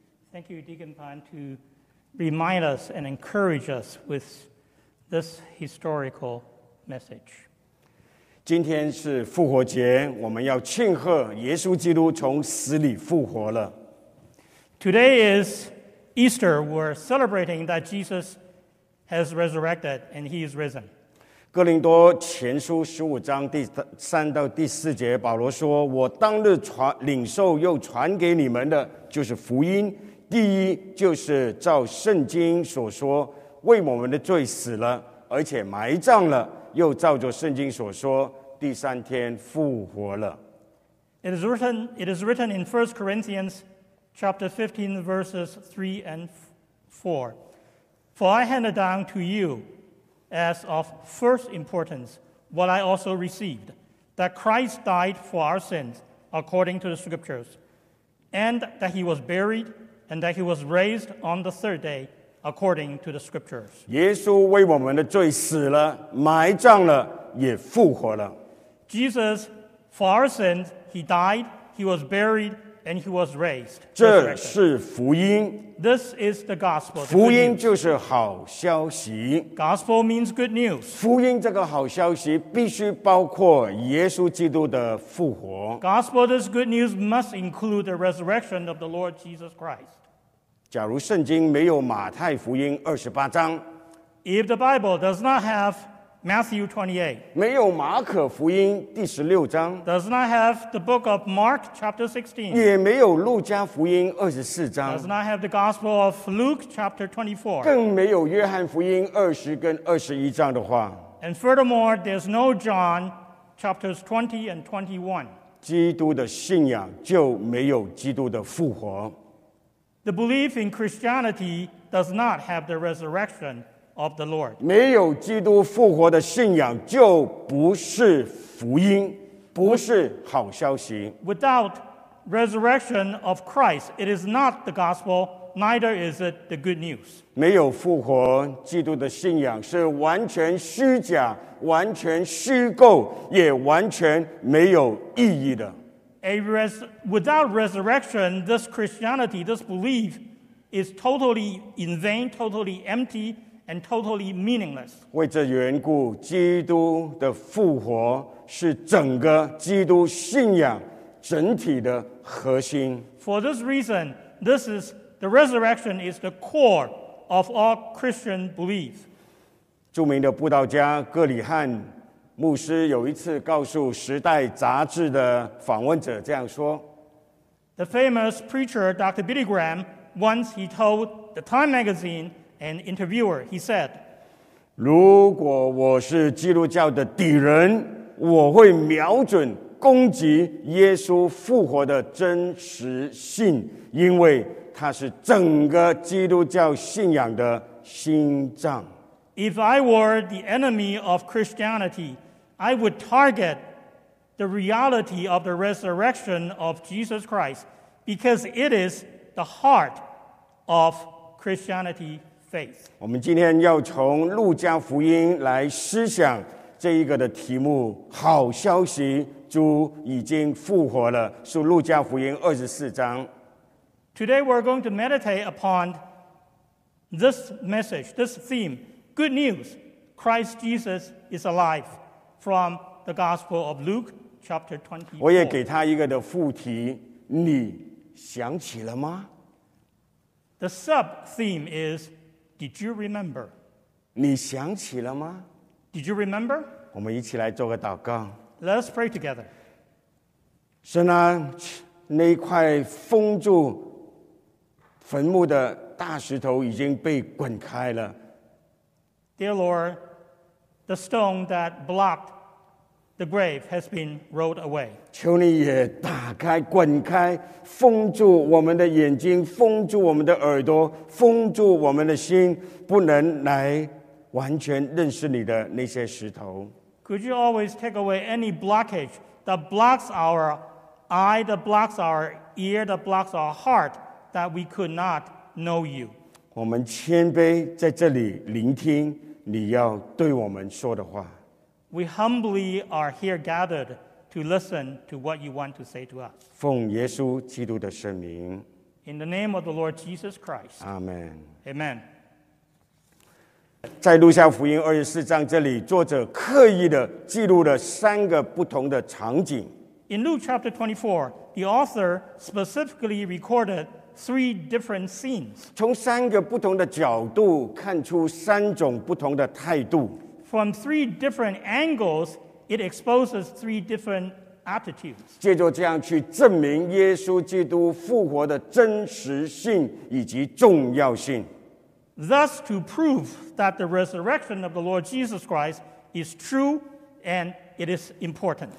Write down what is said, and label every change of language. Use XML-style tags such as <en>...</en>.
<en>Thank you, Deacon Pan, to remind us and encourage us with this historical message.</en> <zh>今天是复活节，我们要庆贺耶稣基督从死里复活了。</zh> <en>Today is Easter. We're celebrating that Jesus has resurrected and he is risen.</en> <zh>哥林多前书十五章第三到第四节，保罗说：“我当日领受又传给你们的，就是福音。第一，就是照圣经所说，为我们的罪死了，而且埋葬了；又照着圣经所说，第三天复活了。”</zh> <en>It is written in 1 Corinthians chapter 15, verses 3 and 4. For I handed down to you. As of first importance, what I also received, that Christ died for our sins, according to the scriptures, and that he was buried, and that he was raised on the third day, according to the scriptures.</en> <zh>耶稣为我们的罪死了，埋葬了，也复活了。</zh> <en>Jesus, for our sins, he died, he was buried, and he was raised.</en> <zh>这是福音。</zh> <en>This is the gospel.</en> <zh>福音就是好消息。</zh> <en>Gospel means good news.</en> <zh>福音这个好消息必须包括耶稣基督的复活。</zh> <en>Gospel, this good news must include the resurrection of the Lord Jesus Christ.</en> <zh>假如圣经没有马太福音二十八章，</zh> <en>If the Bible does not have Matthew 28,</en> <zh>没有马可福音第十六章，</zh> <en>does not have the book of Mark chapter 16,</en> <zh>也没有路加福音二十四章，</zh> <en>does not have the gospel of Luke chapter 24,</en> <zh>更没有约翰福音二十跟二十一章的话，</zh> <en>and furthermore, there's no John chapters 20 and 21,</en> <zh>基督的信仰就没有基督的复活，</zh> <en>the belief in Christianity does not have the resurrection of the Lord.</en> <zh>没有基督复活的信仰就不是福音，不是好消息。</zh> <en>Without resurrection of Christ, it is not the gospel, neither is it the good news.</en> <zh>没有复活，基督的信仰是完全虚假，完全虚构，也完全没有意义的。</zh> <en>Without resurrection, this Christianity, this belief is totally in vain, totally empty, and totally meaningless.</en> <zh>为这缘故，基督的复活是整个基督信仰整体的核心。</zh> <en>For this reason, this is the resurrection is the core of all Christian belief.</en> <zh>著名的布道家格里汉牧师有一次告诉《时代》杂志的访问者这样说，</zh> <en>The famous preacher Dr. Billy Graham once he told the Time magazine An interviewer, he said,</en> <zh>如果我是基督教的敌人，我会瞄准攻击耶稣复活的真实性，因为它是整个基督教信仰的心脏。</zh> <en>If I were the enemy of Christianity, I would target the reality of the resurrection of Jesus Christ, because it is the heart of Christianity.</en> <zh>我们今天要从路加福音来思想这一个的题目，好消息，主已经复活了，是路加福音二十四章。</zh> <en>Today we're going to meditate upon this message, this theme, good news, Christ Jesus is alive, from the Gospel of Luke chapter 24.</en> <zh>我也给他一个的副题，你想起了吗？</zh> <en>The sub theme isDid you remember?</en> <zh>你想起了吗？</zh> <en>Did you remember?</en> <zh>我们一起来做个祷告。</zh> <en>Let's pray together.</en> <zh>神啊，那块封住坟墓的大石头已经被滚开了。</zh> <en>Dear Lord, the stone that blocked the grave has been rolled away.</en> <zh>求你也打开滚开封住我们的眼睛，封住我们的耳朵，封住我们的心，不能来完全认识你的那些石头。</zh> <en>Could you always take away any blockage that blocks our eye, that blocks our ear, that blocks our heart, that we could not know you?</en> <zh>我们谦卑在这里聆听你要对我们说的话。</zh> <en>We humbly are here gathered to listen to what you want to say to us.</en> <zh>奉耶稣基督的圣名。</zh> <en>In the name of the Lord Jesus Christ. Amen. Amen.</en> <zh>在路加福音二十四章这里，作者刻意的记录了三个不同的场景。</zh> <en>In Luke chapter 24, the author specifically recorded three different scenes.</en> <zh>从三个不同的角度看出三种不同的态度。</zh> <en>From three different angles, it exposes three different attitudes.</en> <zh>借着这样去证明耶稣基督复活的真实性以及重要性。</zh> <en>Thus, to prove that the resurrection of the Lord Jesus Christ is true and it is important.</en>